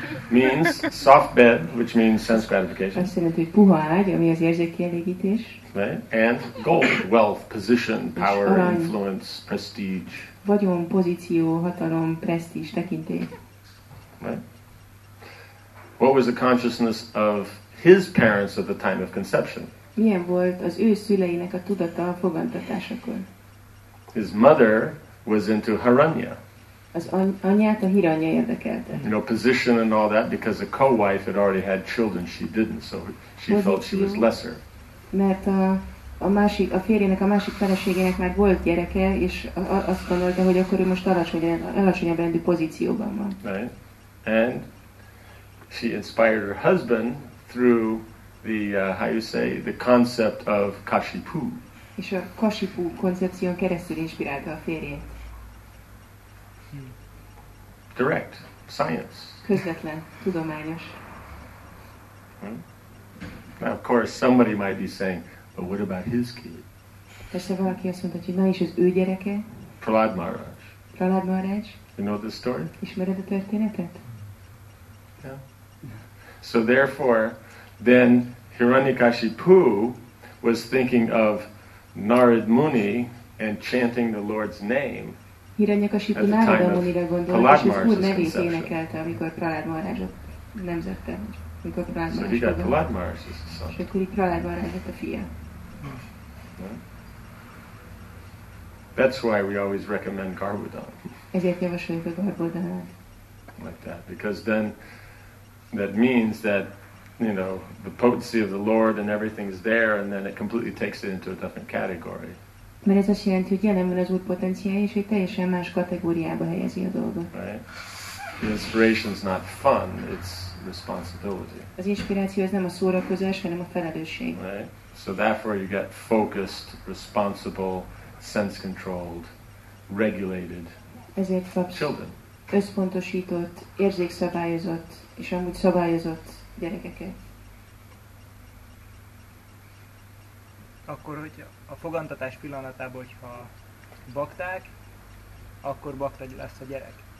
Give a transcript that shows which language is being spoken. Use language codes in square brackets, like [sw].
[en] Means soft bed, which means sense gratification. [hu] Azt jelenti, hogy puha ágy, ami az érzékkielégítés. [en] Right. And gold, wealth, position, power, influence, prestige. [hu] Vagyon, pozíció, hatalom, presztízs, tekintély. [en] Right. What was the consciousness of his parents at the time of conception? [hu] Milyen volt az ő szüleinek a tudata a fogantatásakor? [en] His mother was into Hiranya. [hu] Az anyát a Hiranya érdekelte. [en] You know, position and all that, because a co-wife had already had children, she didn't, so she [hu] pozíció, [en] felt she was lesser. [hu] Mert a férjének a másik feleségének már volt gyereke, és azt gondolta, hogy akkor ő most alacsonyabb rendű pozícióban van. [en] Right. And she inspired her husband through the how you say the concept of Kashipu. [hu] És a Kashipu koncepción keresztül inspirálta a férjét. [en] Direct science. [hu] Közvetlen, tudományos. Hmm? [en] Now of course somebody might be saying, but what about his kid? [hu] Persze valaki azt mondta, hogy na is az ő gyereke? [en] Prahlad Maharaj. [hu] Prahlad Maharaj. [en] You know this story? [hu] Ismered a történetet? [en] Yeah. So therefore, then Hiranyakashipu was thinking of Narad Muni and chanting the Lord's name. [hu] Hiranyakashipu Narad Munira gondolt, és az Úr nevét énekelte, amikor Prahlad Maharajot nemzette, amikor Prahlad Maharaj. [en] So he got Prahlad Maharaj's son. [hu] És akkor Prahlad Maharaj lett a fia. [en] That's why we always recommend Garbhodhan. [hu] Ezért javasoljuk a Garbhodhanát. [en] Like that, because then that means that you know, the potency of the Lord and everything is there, and then it completely takes it into a different category. [hu] Mert ez azt jelenti, hogy jelen van az Úr potenciája, és hogy teljesen más kategóriába helyezi a dolgot. [en] Right? The inspiration is not fun, it's responsibility. [hu] Az inspiráció az nem a szórakozás, hanem a felelősség. [en] Right? So therefore you get focused, responsible, sense-controlled, regulated [hu] ezért kapsz [en] children. [hu] Összpontosított, érzékszabályozott, és amúgy szabályozott gyerekeket. Akkor, hogy a fogantatás pillanatában, hogyha bakták, akkor bakta lesz a gyerek.